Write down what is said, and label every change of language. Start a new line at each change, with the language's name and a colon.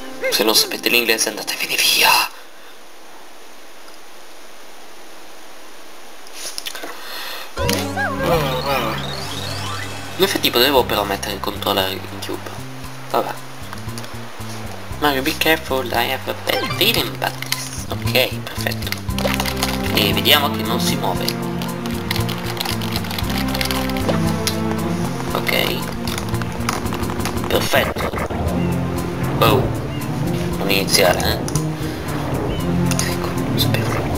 Italian: Se non sapete l'inglese andatevene via. In effetti potevo però mettere il controller in cube. Vabbè.
English: Mario, be careful, I have a bad feeling about this.
Italian: Ok, perfetto. E vediamo che non si muove. Ok. Perfetto. Oh. Non iniziare, eh. Ecco, lo sapevo.